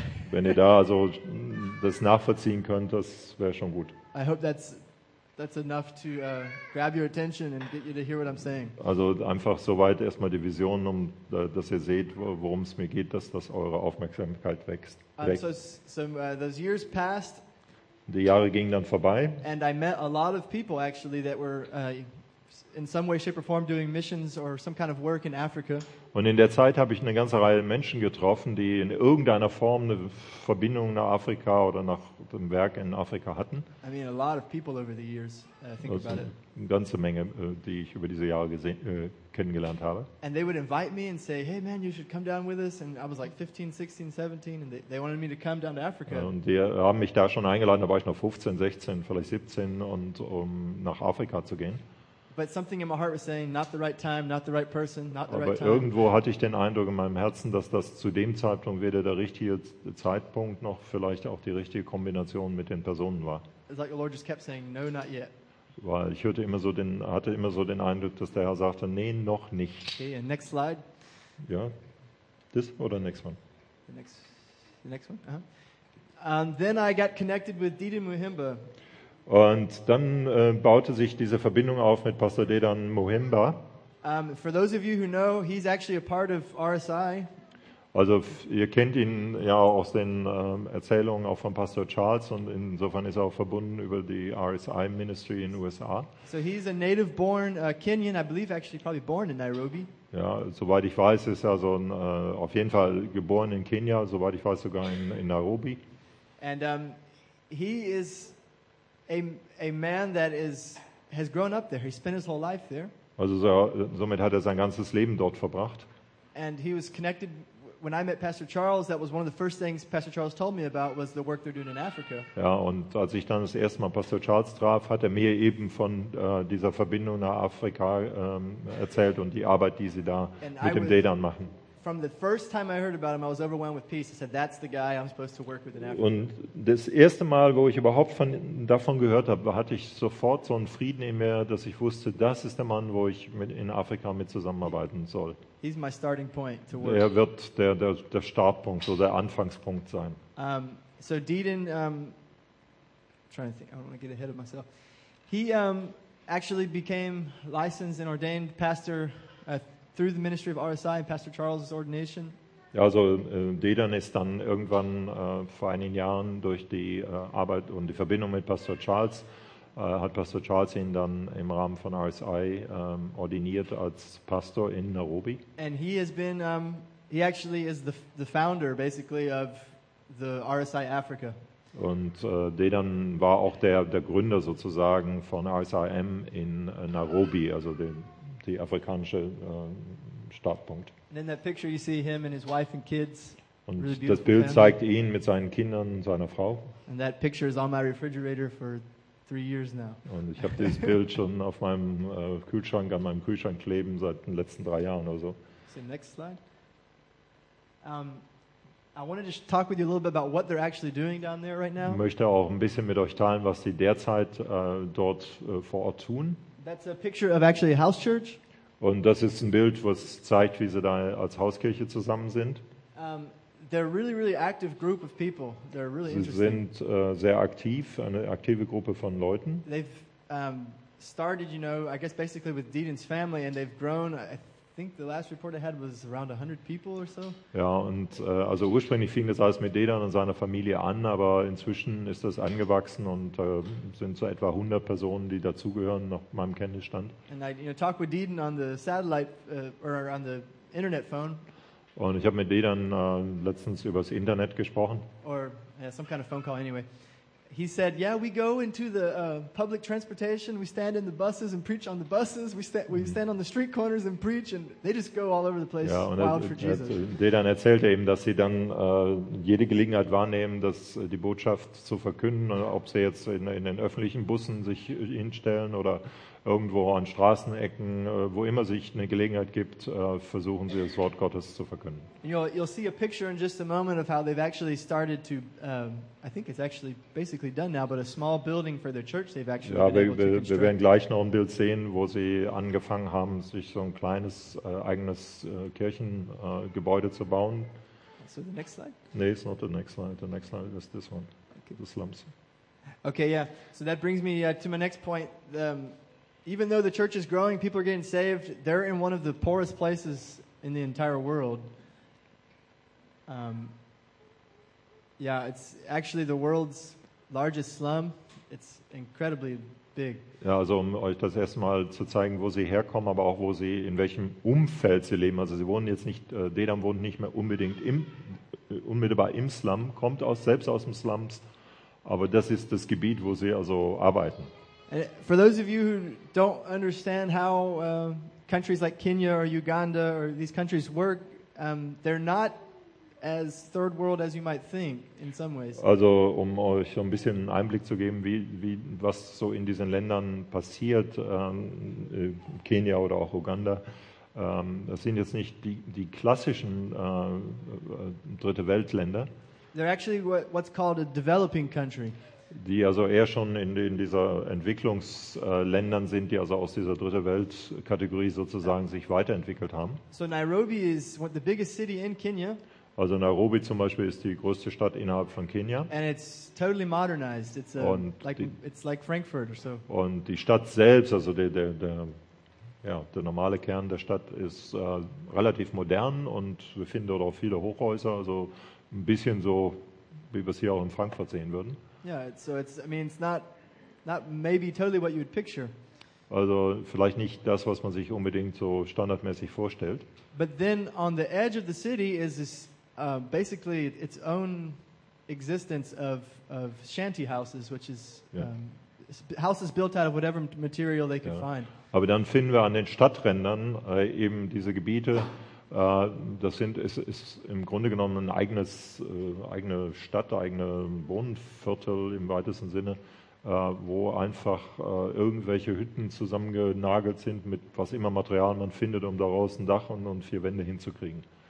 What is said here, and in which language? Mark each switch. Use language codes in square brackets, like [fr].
[de] Wenn ihr da also das nachvollziehen könnt, das wäre schon gut. [en] I hope that's enough to grab your attention and get you to hear what I'm saying. [de] Also einfach soweit erstmal die Vision, um dass ihr seht, worum es mir geht, dass das eure Aufmerksamkeit wächst. [en] Those years passed. [de] Die Jahre gingen dann vorbei. [en] And I met a lot of people actually that were in some way, shape or form doing missions or some kind of work in Africa. [de] Und in der Zeit habe ich eine ganze Reihe Menschen getroffen, die in irgendeiner Form eine Verbindung nach Afrika oder nach dem Werk in Afrika hatten. [en] I mean a lot of people over the years, think also about [de] eine [en] it. [de] Eine ganze Menge, die ich über diese Jahre kennengelernt habe. [en] And they would invite me and say, "Hey man, you should come down with us." And I was like 15, 16, 17 and they wanted me to come down to Africa. [de] Und die haben mich da schon eingeladen, da war ich noch 15, 16, vielleicht 17 und um nach Afrika zu gehen. [en] But something in my heart was saying, not the right time, not the right person, not the [de] aber [en] right time. [de] Irgendwo hatte ich den Eindruck in meinem Herzen, dass das zu dem Zeitpunkt weder der richtige Zeitpunkt noch vielleicht auch die richtige Kombination mit den Personen war. [en] It's like the Lord just kept saying, no, not yet. [de] Weil ich hörte immer so den, hatte immer so den Eindruck, dass der Herr sagte, nee, noch nicht. [en] Okay, and next slide. Ja, this [de] oder [en] next one? The next one. Uh-huh. And then I got connected with Didi Muhimba. [de] Und dann baute sich diese Verbindung auf mit Pastor Dedan Muhimba. [en] For those of you who know, he's actually a part of RSI. [de] Also ihr kennt ihn ja aus den Erzählungen auch von Pastor Charles, und insofern ist er auch verbunden über die RSI Ministry in USA. [en] So he's a native born Kenyan, I believe actually probably born in Nairobi. [de] Ja, soweit ich weiß, ist er so ein, auf jeden Fall geboren in Kenia, soweit ich weiß sogar in Nairobi. [en] And he is a man that is has grown up there. He spent his whole life there. [de] Also somit hat er sein ganzes Leben dort verbracht. [en] And he was connected. When I met Pastor Charles, that was one of the first things Pastor Charles told me about was the work they're doing in Africa. [de] Ja, und als ich dann das erste Mal Pastor Charles traf, hat er mir eben von dieser Verbindung nach Afrika erzählt und die Arbeit, die sie da mit dem Dedan machen. [en] From the first time I heard about him, I was overwhelmed with peace. I said, "That's the guy I'm supposed to work with in Africa." [de] Und das erste Mal, wo ich überhaupt davon gehört habe, hatte ich sofort so einen Frieden in mir, dass ich wusste, das ist der Mann, wo ich in Afrika mit zusammenarbeiten soll. [en] He's my starting point to work. [de] Er wird der Startpunkt oder der Anfangspunkt sein. [en] So Dedan, I'm trying to think, I don't want to get ahead of myself. He actually became licensed and ordained pastor through the ministry of RSI and Pastor Charles' ordination. [de] Ja, also Dedan ist dann irgendwann vor einigen Jahren durch die Arbeit und die Verbindung mit Pastor Charles, hat Pastor Charles ihn dann im Rahmen von RSI ordiniert als Pastor in Nairobi. [en] And he has been, he actually is the founder basically of the RSI Africa. [de] Und Dedan war auch der Gründer sozusagen von RSIM in Nairobi, also die afrikanische Startpunkt. [en] And in that picture you see him and his wife and kids. [de] Und [en] really [de] das Bild [en] family. [de] Zeigt ihn mit seinen Kindern und seiner Frau. [en] And that picture is on my refrigerator for 3 years now. [de] Und ich habe dieses Bild schon auf meinem Kühlschrank, an meinem Kühlschrank kleben seit den letzten 3 Jahren oder so. [en] So next slide. I wanted to talk with you a little bit about what they're actually doing down there right now. [de] Ich möchte auch ein bisschen mit euch teilen, was sie derzeit dort vor Ort tun. [en] That's a picture of actually a house church. [de] Und das ist ein Bild, was zeigt, wie sie da als Hauskirche zusammen sind. [en] They're a really, really active group of people. They're really [de] sie [en] interesting. [de] Sie sind sehr aktiv, eine aktive Gruppe von Leuten. [en] They've started, you know, I guess basically with Dedan's family, and they've grown. I think the last report I had was around 100 people or so. [de] Ja, und also ursprünglich fing das alles mit Dedan und seiner Familie an, aber inzwischen ist das angewachsen und sind so etwa 100 Personen, die dazugehören, nach meinem Kenntnisstand. [en] And I, you know, talk with Dedan on the satellite or on the internet phone. [de] Und ich habe mit Dedan letztens übers Internet gesprochen. [en] Or yeah, some kind of phone call anyway. He said, yeah, we go into the public transportation, we stand in the buses and preach on the buses, we stand on the street corners and preach, and they just go all over the place, [de] ja, [en] wild for Jesus. [de] Dedan erzählte eben, dass sie dann jede Gelegenheit wahrnehmen, dass die Botschaft zu verkünden, ob sie jetzt in den öffentlichen Bussen sich hinstellen oder irgendwo an Straßenecken, wo immer sich eine Gelegenheit gibt, versuchen sie das Wort Gottes zu verkünden. [en] You'll see a picture in just a moment of how they've actually started to, I think it's actually basically done now, but a small building for their church they've actually been able to construct. [de] Wir werden gleich noch ein Bild sehen, wo sie angefangen haben, sich so ein kleines eigenes Kirchengebäude zu bauen. [en] So the next slide? Nee, it's not the next slide. The next slide is this one. Okay. The slums. Okay, yeah. So that brings me to my next point. Even though the church is growing, people are getting saved, they're in one of the poorest places in the entire world. Yeah, it's actually the world's largest slum. It's incredibly big. [de] Ja, also um euch das erstmal zu zeigen, wo sie herkommen, aber auch wo sie, in welchem Umfeld sie leben. Also sie wohnen jetzt nicht, Dedan wohnt nicht mehr unbedingt unmittelbar im Slum, kommt selbst aus dem Slums, aber das ist das Gebiet, wo sie also arbeiten. [en] And for those of you who don't understand how countries like Kenya or Uganda or these countries work, they're not as third world as you might think in some ways. [de] Also um euch so ein bisschen einen Einblick zu geben, wie was so in diesen Ländern passiert, Kenia oder auch Uganda, das sind jetzt nicht die klassischen dritte Weltländer. [en] They're actually what's called a developing country. [de] Die also eher schon in dieser Entwicklungsländern sind, die also aus dieser dritte Welt Kategorie sozusagen sich weiterentwickelt haben. [en] So Nairobi is the biggest city in Kenya. [de] Also Nairobi zum Beispiel ist die größte Stadt innerhalb von Kenia. [en] And it's totally modernized. It's a, like [de] die, [en] it's like Frankfurt or so. [de] Und die Stadt selbst, also der normale Kern der Stadt ist relativ modern und wir finden dort auch viele Hochhäuser, also ein bisschen so wie wir es hier auch in Frankfurt sehen würden. [en] Yeah, so it's, I mean, it's not maybe totally what you would picture. [de] Also vielleicht nicht das, was man sich unbedingt so standardmäßig vorstellt. [en] But then on the edge of the city is this, basically its own existence of shanty houses, which is houses built out of whatever material they can find. [de] Aber dann finden wir an den Stadträndern eben diese Gebiete. Das sind ist im Grunde genommen ein eigene Stadt, eigene Wohnviertel im weitesten Sinne, wo einfach irgendwelche Hütten zusammengenagelt sind mit was immer Material man findet, um daraus ein Dach und vier Wände hinzukriegen.